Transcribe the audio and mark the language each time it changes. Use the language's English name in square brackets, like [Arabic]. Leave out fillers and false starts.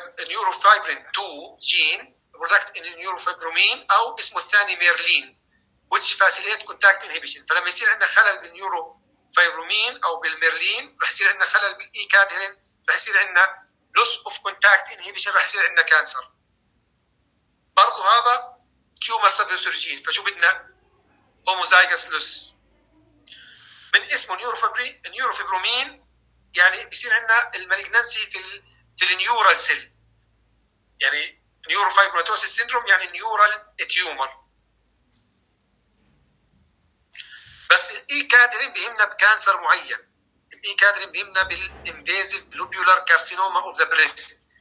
[English] Neurofibrin 2 gene product in neurofibromin [Arabic] أو اسمه الثاني ميرلين [English] which facilitate contact inhibition. [Arabic] فلما يصير عندنا خلل بالنيوروفيبرومين أو بالميرلين رح يصير عندنا خلل بالإيكادرين، رح يصير عندنا [English] loss of contact inhibition، [Arabic] رح يصير عندنا كانسر. برضو هذا [English] tumor suppressor gene، [Arabic] فشو بدنا؟ [English] homozygous loss. [Arabic] من اسمه نيوروفيبرومين يعني بيصير عندنا المالجنانسي في النيورال سيل، يعني نيوروفايبروماتوسيس سيندروم يعني نيورال تيومر. بس الاي كادرين بيهمنا بكانسر معين، الاي كادرين بيهمنا بالانفيزيف لوبيولار كارسينوما اوف ذا بريست.